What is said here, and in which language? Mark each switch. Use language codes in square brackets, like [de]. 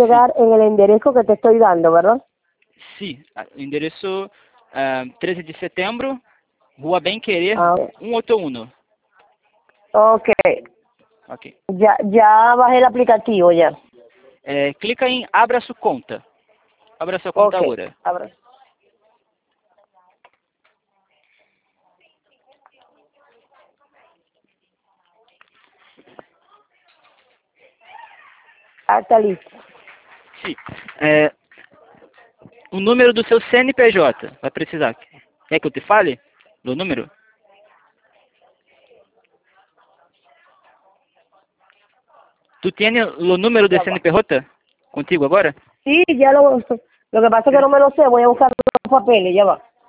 [es] llegar en el enderezo que te estoy dando, ¿verdad? [pt] Sim. Endereço 13 de setembro, Rua Benquerê, Ah, 181. ok. Ok. [es] Ya bajé el aplicativo, ya. [pt] Clica em Abra sua conta. Abra sua conta Ok, agora. abra. [es] Ah, tá listo. [pt] Sim. O número do seu CNPJ vai precisar. Quer que eu te fale do número? Tu tem o número de CNPJ contigo agora? [es] Sí, ya lo uso. Lo que pasa es que no me lo sé, voy a buscar los papeles, ya va.